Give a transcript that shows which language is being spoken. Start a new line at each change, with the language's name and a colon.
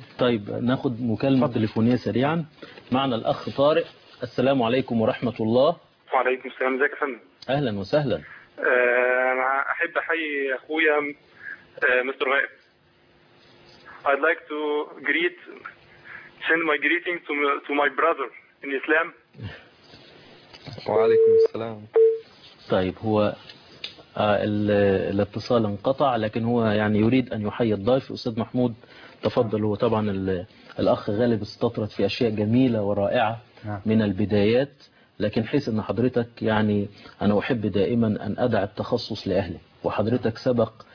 Arabic: طيب ناخد مكالمة تليفونية سريعا. معنا الأخ طارق. السلام عليكم ورحمة الله. وعليكم السلام. ازيك يا فندم؟ أهلا وسهلا. أنا أحب أحيي أخويا Mr. Ghaib.
English: I'd like to greet, send my greeting to my brother in Islam.
Arabic: Wa alaykum assalam. طيب هو الاتصال انقطع لكن هو يعني يريد ان يحيي الضيف استاذ محمود تفضل. هو طبعا الاخ غالب استطرد في اشياء جميله ورائعه من البدايات لكن حيث ان حضرتك يعني انا احب دائما ان ادع التخصص لاهلي وحضرتك سبق